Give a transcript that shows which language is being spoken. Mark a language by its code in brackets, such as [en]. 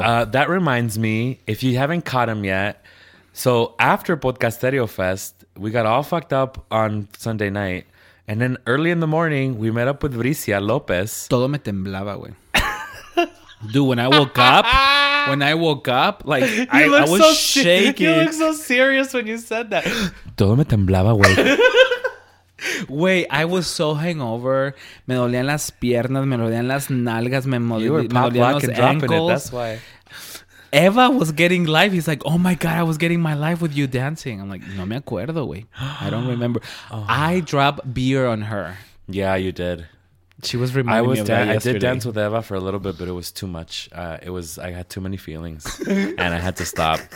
[en] That reminds me, if you haven't caught him yet, so after Podcasterio Fest, we got all fucked up on Sunday night. And then early in the morning, we met up with Bricia Lopez. [es] Todo me temblaba, güey. [en] Dude, when I woke up, like, I was so shaking. You look so serious when you said that. [es] Todo me temblaba, güey. [en] Wait, I was so hangover. [es] Me dolían las piernas, me dolían las nalgas, me dolían los ankles. [en] That's why. Eva was getting life. He's like, oh my God, I was getting my life with you dancing. I'm like, [es] no me acuerdo, güey. [en] I don't remember. I dropped beer on her. Yeah, you did. She was reminding me of that yesterday. I did dance with Eva for a little bit, but it was too much. I had too many feelings, and I had to stop.